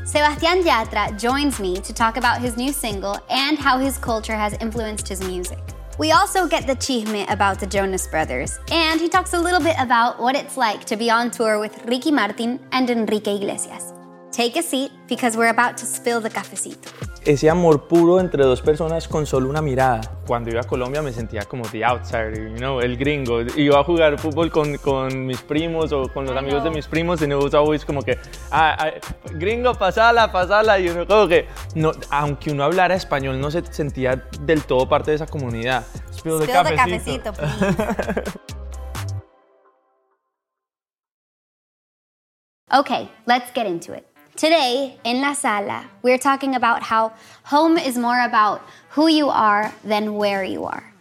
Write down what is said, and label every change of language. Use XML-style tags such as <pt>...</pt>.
<en>Sebastián Yatra joins me to talk about his new single and how his culture has influenced his music. We also get the chisme about the Jonas Brothers, and he talks a little bit about what it's like to be on tour with Ricky Martin and Enrique Iglesias. Take a seat, because we're about to spill the cafecito.</en> <es>Ese amor puro entre dos personas con solo una mirada. Cuando iba a Colombia me sentía como</es> <en>the outsider, you know,</en> <es>el gringo. Iba a jugar fútbol con mis primos o con los amigos de mis primos, y no</es> <en>was always</en> <es>como que, gringo, pasala, y uno como que, no, aunque uno hablara español, no se sentía del todo parte de esa comunidad.</es> <en>Spill the cafecito, Okay, let's get into it. Today, in La Sala, we're talking about how home is more about who you are than where you are.</en>